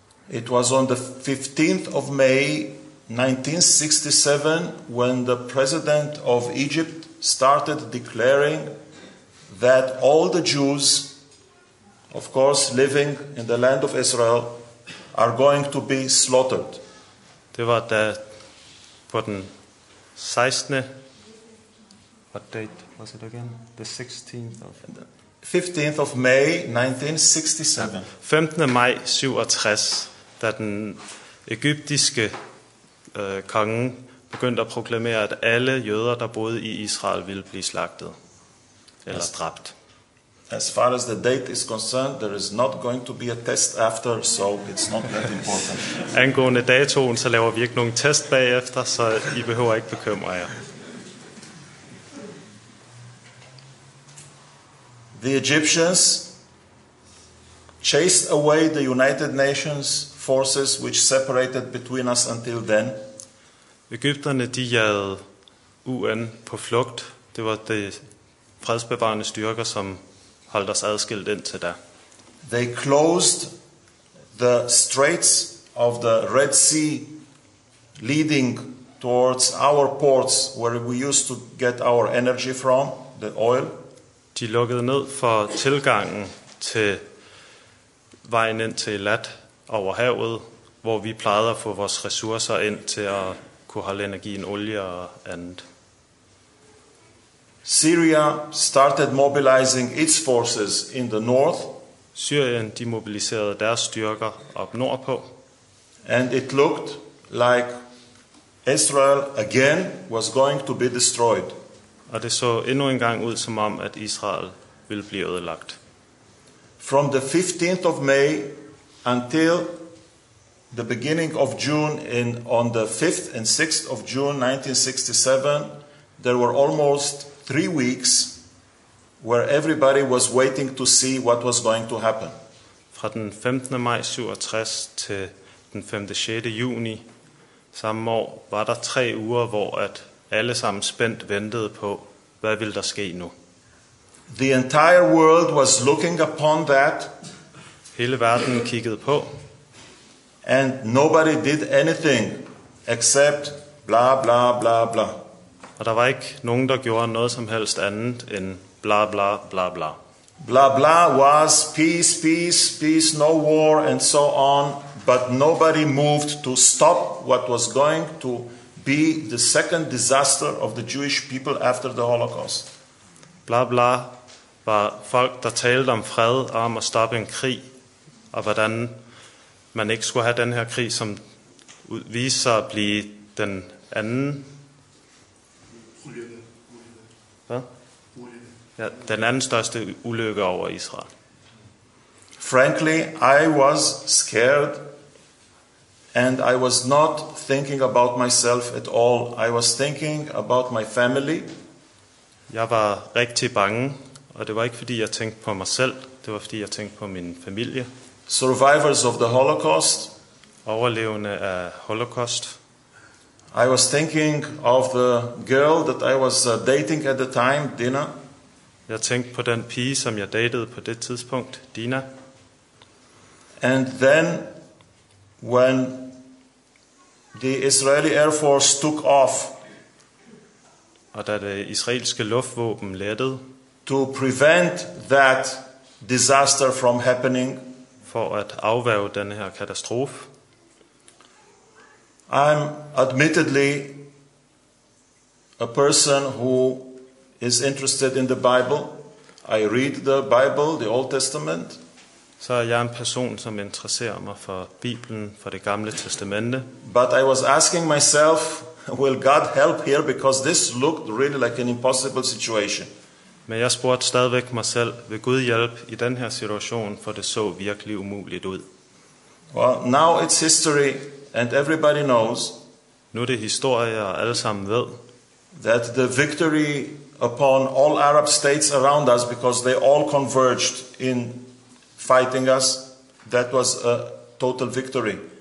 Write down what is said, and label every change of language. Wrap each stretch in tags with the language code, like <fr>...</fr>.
<en>It was on the 15th of May 1967 when the president of Egypt started declaring that all the Jews, of course living in the land of Israel, are going to be slaughtered.</en> <da>Det var da på den 16.</da> <en>What date was it again? The 16th of 15th of May 1967.</en> <da>15. maj 67, da den egyptiske kongen begyndte at proklamere, at alle jøder, der boede i Israel, ville blive slagtet eller dræbt.</da> <en>As far as the date is concerned, there is not going to be a test after, so it's not that important.</en> <da>Angående datoen, så laver vi ikke nogen test bagefter, så I behøver ikke bekymre jer.</da> <en>The Egyptians chased away the United Nations forces which separated between us until then.</en> <da>Egypterne, de jagede UN på flugt. Det var de fredsbevarende styrker, som holdt os adskilt indtil da.</da> <en>They closed the straits of the Red Sea leading towards our ports where we used to get our energy from, the oil.</en> <da>De lukkede ned for tilgangen til vejen ind til Elat over havet, hvor vi plejede at få vores ressourcer ind til at kunne holde energien, olie og andet.</da> <en>Syria started mobilizing its forces in the north.</en> <da>Syrien, de mobiliserede deres styrker op nordpå.</da> <en>And it looked like Israel again was going to be destroyed.</en> <da>Og det så endnu en gang ud som om, at Israel ville blive ødelagt.</da> <en>From the 15th of May until the beginning of June, on the 5th and 6th of June 1967, there were almost 3 weeks where everybody was waiting to see what was going to happen.</en> <da>Fra den 15. maj 67 til den 5. 6. juni samme år var der 3 uger, hvor at alle sammen spændt ventede på, hvad ville der ske nu.</da> <en>The entire world was looking upon that.</en> <da>Hele verden kiggede på.</da> <en>And nobody did anything except bla bla bla bla.</en> <da>Og der var ikke nogen, der gjorde noget som helst andet end bla bla bla bla.</da> <en>Bla bla was peace, peace, peace, no war and so on. But nobody moved to stop what was going to be the second disaster of the Jewish people after the Holocaust.</en> <da>Bla bla var folk, der talte om fred og om at stoppe en krig. Og hvordan man ikke skulle have den her krig, som viser sig at blive den anden Ja, den anden største ulykke over Israel.</da> <en>Frankly, I was scared and I was not thinking about myself at all. I was thinking about my family.</en> <da>Jeg var rigtig bange, og det var ikke fordi jeg tænkte på mig selv, det var fordi jeg tænkte på min familie.</da> <en>Survivors of the Holocaust.</en> <da>Overlevende af Holocaust.</da> <en>I was thinking of the girl that I was dating at the time, Dina.</en> <da>Jeg tænkte på den pige, som jeg datede på det tidspunkt, Dina.</da> <en>And then when the Israeli Air Force took off.</en> <da>Og da det israelske luftvåben lettede.</da> <en>To prevent that disaster from happening.</en> <da>For at afværge den her katastrofe.</da> <en>I'm admittedly a person who is interested in the Bible. I read the Bible, the Old Testament.</en> <da>Så jeg er en person, som interesserer mig for Bibelen, for det gamle testamente.</da> <en>But I was asking myself, will God help here? Because this looked really like an impossible situation.</en> <da>Men jeg spurgte stadigvæk mig selv, vil Gud hjælpe i den her situation, for det så virkelig umuligt ud.</da> <en>Well, now it's history. And everybody knows.</en> <da>Nu er det historie, og alle sammen ved.</da> <en>That the victory upon all Arab states around us, because they all converged in fighting us, that was a total victory.</en>